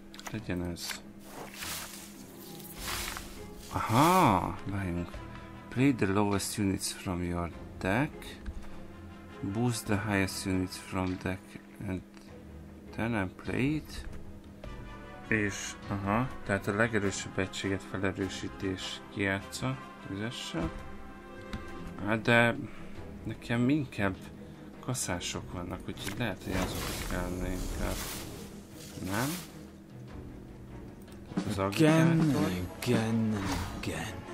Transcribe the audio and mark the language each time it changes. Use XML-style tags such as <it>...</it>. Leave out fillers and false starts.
<hu>Legyen ez. Aha, várjunk.</hu> <en>Play the lowest units from your deck. Boost the highest units from deck. And then I play it.</en> <hu>És, aha, tehát a legerősebb egységet felerősítés kijátsza. Tízessel. Hát de nekem inkább kaszások vannak, úgyhogy lehet, hogy azokat kellene inkább. Nem?</hu> <en>Again and again and again.</en>